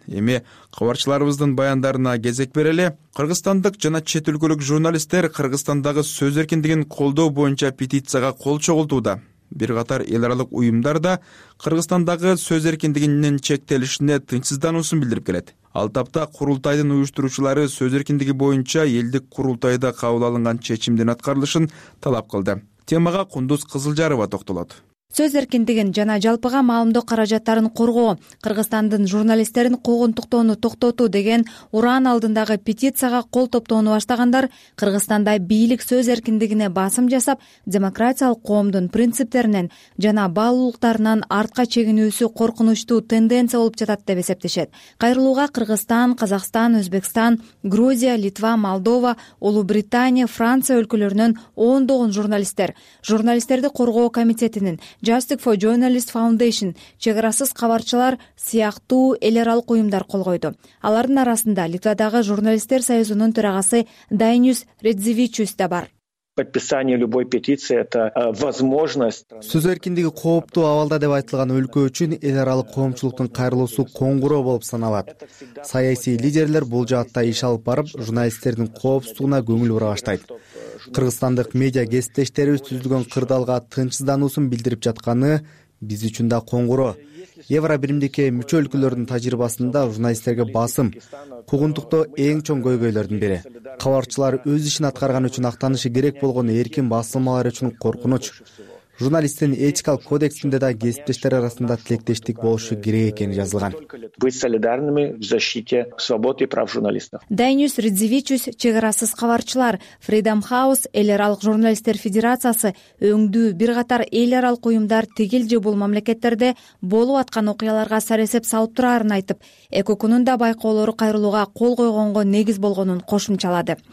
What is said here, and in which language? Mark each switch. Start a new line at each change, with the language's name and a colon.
Kyrgyz: Эми кабарчыларыбыздын баяндарына кезек берели. Кыргызстандык жана чет өлкөлүк журналисттер Кыргызстандагы сөз эркиндигин колдоо боюнча петицияга кол чогултууда. Бир катар эл аралык уюмдар да Кыргызстандагы сөз эркиндигинин чектелишине тынчсыздануусун билдирип келет. Ал тапта курултайдын уюштуруучулары сөз эркиндиги боюнча элдик курултайда кабыл алынган чечимдин аткарылышын талап кылды. Темага Кундуз Кызылжарова токтолот. Сөз эркиндигин жана жалпыга маалымдоо каражаттарын коргоо, Кыргызстандын журналисттерин куугунтуктоону токтотуу деген ураан алдындагы петицияга кол топтоону баштагандар Кыргызстанда бийлик сөз эркиндигине басым жасап, демократиялык коомдун принциптеринен жана баалуулуктарынан артка чегинүүсү коркунучтуу тенденция болуп жатат деп эсептешет. Кайрылууга Кыргызстан, Казакстан, Өзбекстан, Грузия, Литва, Молдова, Улуу Британия, Франция өлкөлөрүнөн ондогон журналисттер, журналисттерди коргоо комитетинин Justice for Journalists Foundation, чегарасыз кабарчылар сыяктуу эл аралык уюмдар кол койду. Алардын арасында Литвадагы журналисттер союзунун төрагасы Дайнюс Редзевичус да бар.
Russian: Подписание любой петиции это возможность.
Kyrgyz: Сөз эркиндиги кооптуу абалда деп айтылган өлкө үчүн эл аралык коомчулуктун кайрылуусу коңгуроо болуп саналат. Саясий лидерлер бул жаатта иш алып барып, журналисттердин коопсуздугуна көңүл бура баштайт. Кыргызстандык медиа кесиптештерибиз түзүлгөн кырдаалга тынчсыздануусун билдирип жатканы биз үчүн да коңгуроо. Евробиримдикке мүчө өлкөлөрдүн тажрыйбасында журналисттерге басым куугунтуктоо эң чоң көйгөйлөрдүн бири. Кабарчылар өз ишин аткарган үчүн актанышы керек болгон эркин басылмалар үчүн коркунуч. Журналисттин этикалык кодексинде да кесиптештер арасында тилектештик болушу керек экени жазылган.
Russian: Быть солидарными в защите свободы и прав журналистов.
Kyrgyz: Дайнюс Редзевичус, чегарасыз кабарчылар, Freedom House, эл аралык журналисттер федерациясы өңдүү бир катар эл аралык уюмдар тигил же бул мамлекеттерде болуп аткан окуяларга саресеп салып тураарын айтып, ЭККОнун да байкоолору кайрылууга кол койгонго негиз болгонун кошумчалады.